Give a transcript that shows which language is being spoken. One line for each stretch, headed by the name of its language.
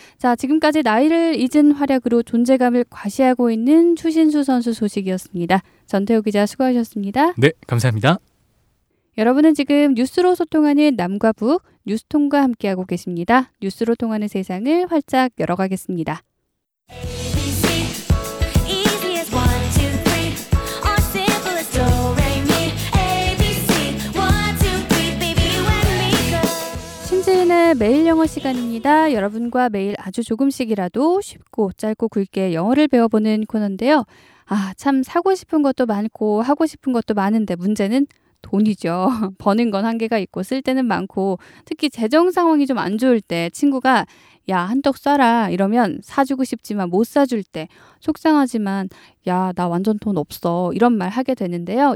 Korean: 자, 지금까지 나이를 잊은 활약으로 존재감을 과시하고 있는 추신수 선수 소식이었습니다. 전태우 기자 수고하셨습니다. 네, 감사합니다. 여러분은 지금 뉴스로 소통하는 남과 북, 뉴스통과 함께하고 계십니다. 뉴스로 통하는 세상을 활짝 열어가겠습니다.
English: ABC, easy as one, two, three. Our simplest do, re, mi, ABC, one, two, three, baby, you and me go.
Korean: 신지은의 매일 영어 시간입니다. 여러분과 매일 아주 조금씩이라도 쉽고 짧고 굵게 영어를 배워보는 코너인데요. 아, 참 사고 싶은 것도 많고 하고 싶은 것도 많은데 문제는 돈이죠. 버는 건 한계가 있고 쓸 때는 많고 특히 재정 상황이 좀 안 좋을 때 친구가 야, 한턱 쏴라 이러면 사주고 싶지만 못 사줄 때 속상하지만 야, 나 완전 돈 없어 이런 말 하게 되는데요.